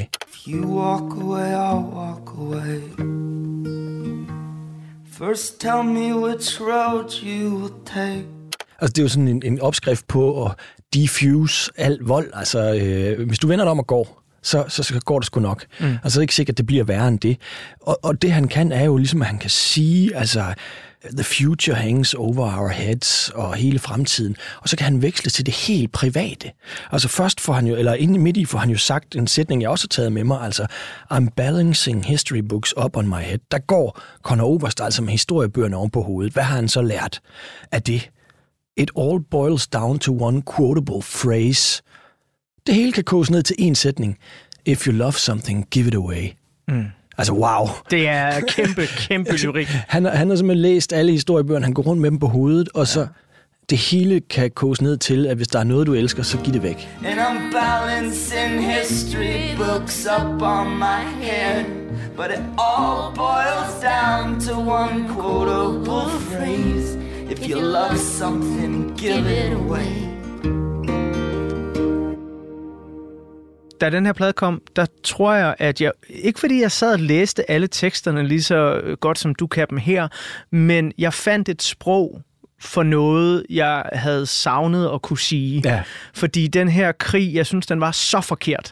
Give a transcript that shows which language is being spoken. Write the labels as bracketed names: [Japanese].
[English] If you walk away, I'll walk away. First tell me which road you will take. [Danish] Altså, det er jo sådan en opskrift på at defuse alt vold. Altså, hvis du vender dig om og går, Så går det sgu nok. Mm. Altså, det er ikke sikkert, at det bliver værre end det. Og det, han kan, er jo ligesom, at han kan sige, altså, [English] the future hangs over our heads [Danish] og hele fremtiden. Og så kan han veksle til det helt private. Altså, først får han jo, eller inden midt i, får han jo sagt en sætning, jeg også har taget med mig, altså, [English] I'm balancing history books up on my head. [Danish] Der går Conor Oberst, altså med historiebøgerne oven på hovedet. Hvad har han så lært af det? [English] It all boils down to one quotable phrase. [Danish] Det hele kan koges ned til én sætning. [English] If you love something, give it away. [Danish] Mm. Altså, wow. Det er kæmpe, kæmpe lyrik. Han har simpelthen læst alle historiebøgerne. Han går rundt med dem på hovedet, og ja. Så det hele kan koges ned til, at hvis der er noget, du elsker, så giv det væk. [English] And I'm balancing history books up on my head. But it all boils down to one quotable phrase. If you love something, give it away. [Danish] Da den her plade kom, der tror jeg, at jeg, ikke fordi jeg sad og læste alle teksterne lige så godt, som du kan dem her, men jeg fandt et sprog for noget, jeg havde savnet at kunne sige. Ja. Fordi den her krig, jeg synes, den var så forkert.